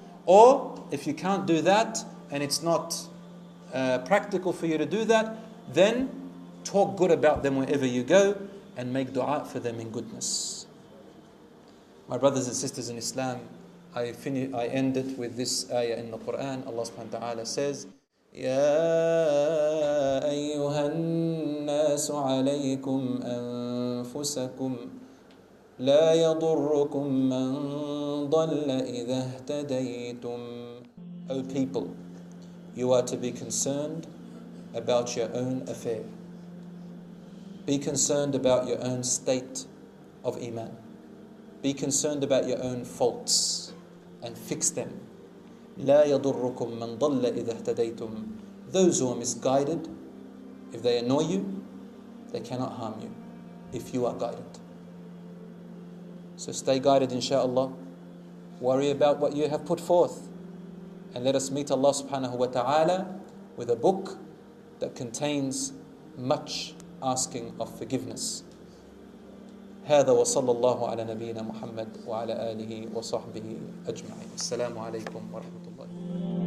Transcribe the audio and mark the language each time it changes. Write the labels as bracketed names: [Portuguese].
[English] Or if you can't do that and it's not practical for you to do that, then talk good about them wherever you go and make dua for them in goodness. My brothers and sisters in Islam, I end it with this ayah in the Quran. [Arabic] Allah subhanahu wa ta'ala [English] says, [Arabic] يَا أَيُّهَا النَّاسُ عَلَيْكُمْ أَنفُسَكُمْ لَا يَضُرُّكُمْ مَنْ ضَلَّ إِذَا اهْتَدَيْتُمْ. [English] O people, you are to be concerned about your own affair. Be concerned about your own state of iman. Be concerned about your own faults and fix them. [Arabic] لَا يَضُرُّكُمْ مَنْ ضَلَّ إِذَا اهْتَدَيْتُمْ. [English] Those who are misguided, if they annoy you, they cannot harm you if you are guided. So stay guided, inshaAllah. Worry about what you have put forth. And let us meet Allah subhanahu wa ta'ala with a book that contains much asking of forgiveness. [Arabic] هذا وصلى الله على نبينا محمد وعلى آله وصحبه أجمعين. السلام عليكم ورحمة الله وبركاته.